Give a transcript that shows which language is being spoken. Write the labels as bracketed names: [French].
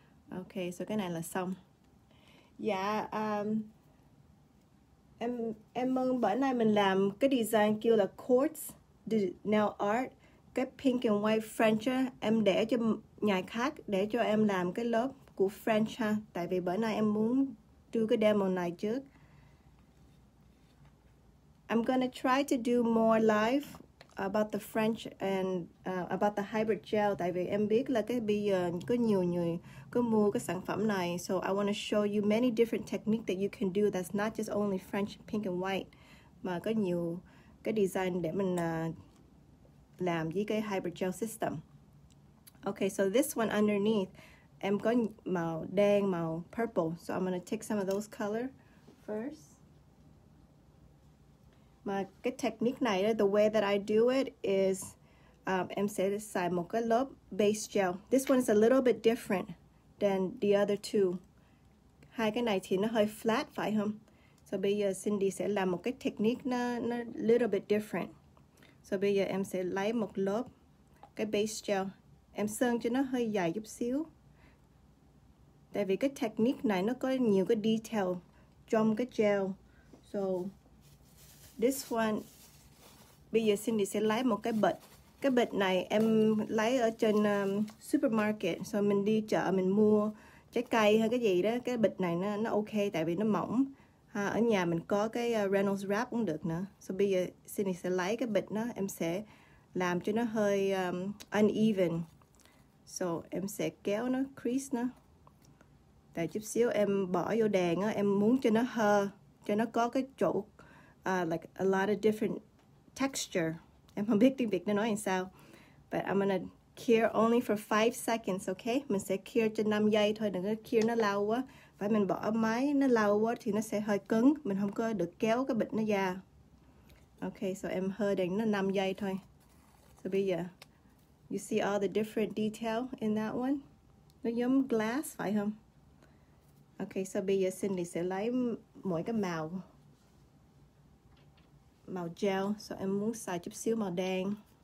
[Vietnamese] Okay, so cái này là xong. Yeah, em mong bữa nay mình làm cái design kêu là quartz nail art, cái [English] pink and white French [Vietnamese] á, em để cho nhà khác để cho em làm cái lớp của French ha. Tại vì bữa nay em muốn do cái demo này trước. [English] I'm gonna try to do more live about the French and about the hybrid gel. [Vietnamese] Tại vì em biết là cái bây giờ có nhiều người có mua cái sản phẩm này. [English] So I want to show you many different techniques that you can do that's not just only French, pink and white. [Vietnamese] Mà có nhiều cái design để mình làm với cái hybrid gel system. Okay, [English] so this one underneath, [Vietnamese] em có màu đen, màu purple. [English] So I'm gonna take some of those color first. [Vietnamese] Mà cái technique này, [English] the way that I do it is [Vietnamese] em sẽ xài một cái lớp base gel. [English] This one is a little bit different than the other two. [Vietnamese] Hai cái này thì nó hơi flat, phải không? So bây giờ Cindy sẽ làm một cái technique nó [English] little bit different. [Vietnamese] So bây giờ em sẽ lấy một lớp cái base gel. Em sơn cho nó hơi dài chút xíu. Tại vì cái technique này nó có nhiều cái detail trong cái gel. [English] So this one, [Vietnamese] bây giờ Cindy sẽ lấy một cái bịch. Cái bịch này em lấy ở trên supermarket. So mình đi chợ mình mua trái cây hay cái gì đó. Cái bịch này nó ok tại vì nó mỏng. Ha, ở nhà mình có cái Reynolds Wrap cũng được nữa. So bây giờ Cindy sẽ lấy cái bịch đó. Em sẽ làm cho nó hơi uneven. So em sẽ kéo nó, crease nó. Tại chút xíu em bỏ vô đèn á. Em muốn cho nó hơ, cho nó có cái chỗ [English] like a lot of different texture. [Vietnamese] Em không biết tiếng Việt nó nói sao. [English] But I'm gonna cure only for 5 seconds, okay? [Vietnamese] Mình sẽ cure cho 5 giây thôi, đừng có cure nó lâu quá. Phải mình bỏ máy nó lâu quá thì nó sẽ hơi cứng, mình không có được kéo cái bịch nó ra. Okay, so em hơi đèn nó 5 giây thôi. [English] So [Vietnamese] bây giờ [English] you see all the different detail in that one? [Vietnamese] Nó giống glass, phải không? Okay, so bây giờ Cindy sẽ lấy mỗi cái màu gel, so em muốn xài chút xíu màu đen.